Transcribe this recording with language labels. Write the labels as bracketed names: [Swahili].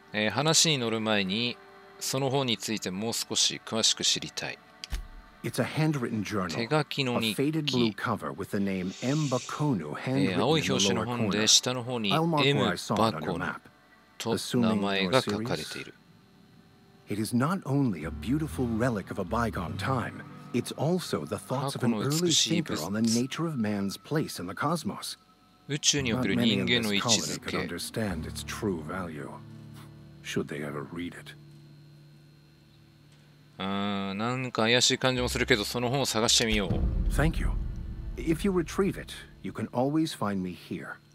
[Japanese] 話に乗る前にその本についてもう少し詳しく知りたい。 [English] It's a handwritten journal, [Japanese] 手書きの日記、 [English] faded blue cover with the name M. Bakonu, handwritten [Japanese] 青い表紙の本で下の方に M. Bakonu と名前が書かれている。 [English] It is not only a beautiful relic of a bygone timeIt's also the thoughts of an early thinker on the nature of man's place in the cosmos. Not many in this colony could understand its true value, should they ever read it. [Japanese] なんか怪しい感じもするけど、その本を探してみよう。 [English] Thank you. If you retrieve it, you can always find me here.